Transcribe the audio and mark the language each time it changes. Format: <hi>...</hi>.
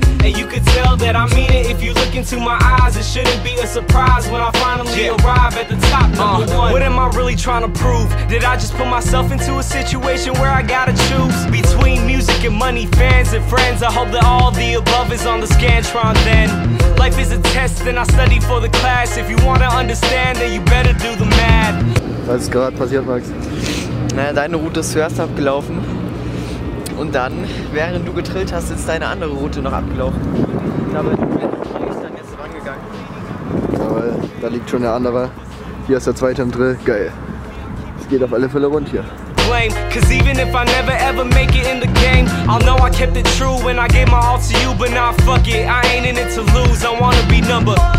<en>You could tell that I mean it if you look into my eyes. It shouldn't be a surprise when I finally arrive at the top, number one. What am I really trying to prove? Did I just put myself into a situation where I gotta choose? Between music and money, fans and friends, I hope that all the above is on the scantron then. Life is a test, then I study for the class. If you wanna understand, then you better do the math.</en> <de>Was ist gerade passiert, Max? Naja, deine Route ist zuerst abgelaufen. Und dann, während du getrillt hast, ist deine andere Route noch abgelaufen. Ich glaube, du bist dann jetzt rangegangen. Jawohl, da liegt schon der andere. Hier ist der zweite im Drill. Geil. Es geht auf alle Fälle rund hier.</de> <en>Cause even if I never ever make it in the game, I'll know I kept it true when I gave my all to you. But nah, fuck it, I ain't in it to lose. I wanna be number.</en>